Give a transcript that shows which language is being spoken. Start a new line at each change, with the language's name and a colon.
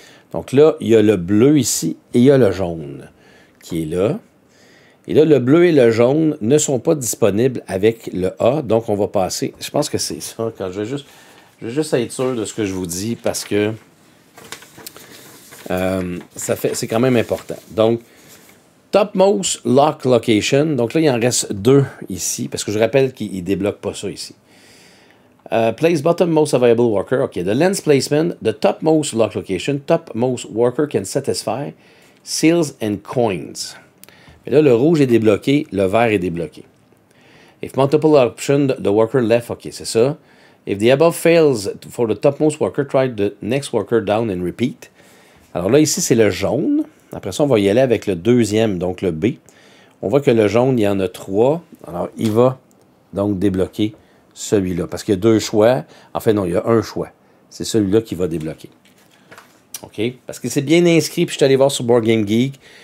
French: Donc là, il y a le bleu ici et il y a le jaune qui est là. Et là, le bleu et le jaune ne sont pas disponibles avec le A, donc on va passer. Je pense que c'est ça. Quand je vais juste être sûr de ce que je vous dis parce que c'est quand même important.
English: Donc, topmost lock location.
French: Donc là, il en reste deux ici parce que je rappelle qu'il ne débloque pas ça ici.
English: Place bottom most available worker. OK. The lens placement, the topmost lock location, topmost worker can satisfy seals and coins.
French: Et là, le rouge est débloqué, le vert est débloqué.
English: If multiple options, the worker left, OK,
French: c'est ça.
English: If the above fails for the topmost worker, try the next worker down and repeat.
French: Alors là, ici, c'est le jaune. Après ça, on va y aller avec le deuxième, donc le B. On voit que le jaune, il y en a trois. Alors, il va donc débloquer celui-là. Parce qu'il y a deux choix. Enfin, non, il y a un choix. C'est celui-là qui va débloquer. OK? Parce que c'est bien inscrit, puis je suis allé voir sur Board Game Geek.